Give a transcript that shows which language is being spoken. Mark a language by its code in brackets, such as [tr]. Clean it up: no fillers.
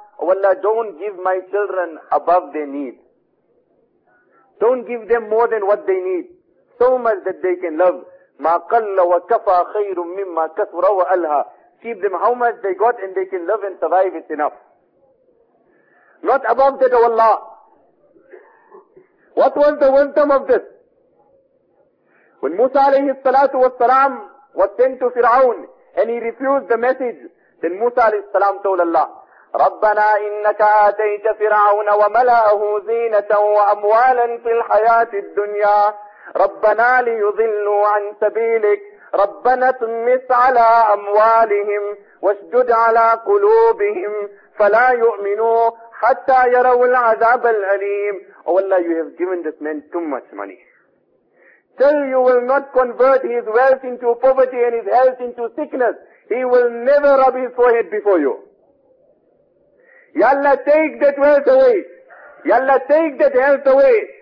[en] Oh Allah, don't give my children above their need. Don't give them more than what they need. So much that they can love. [ar] Ma qalla wa kafa khayrun mimma kathura wa alha. [en] Keep them how much they got and they can love and survive, it's enough. Not above that, oh Allah. What was the wisdom of this? When Musa alayhi salatu wa salam was sent to Fir'aun and he refused the message, then Musa alayhi salam told Allah, [ar] ربنا إنك آتيت فرعون وملأه زينة وأموالا في الحياة الدنيا ربنا ليضلوا عن سبيلك ربنا طمس على أموالهم واشدد على قلوبهم فلا يؤمنوا حتى يروا العذاب الأليم. [en] Oh Allah, you have given this man too much money. Till you will not convert his wealth into poverty and his health into sickness, he will never rub his forehead before you. Ya Allah, take that wealth away. Ya Allah, take that health away.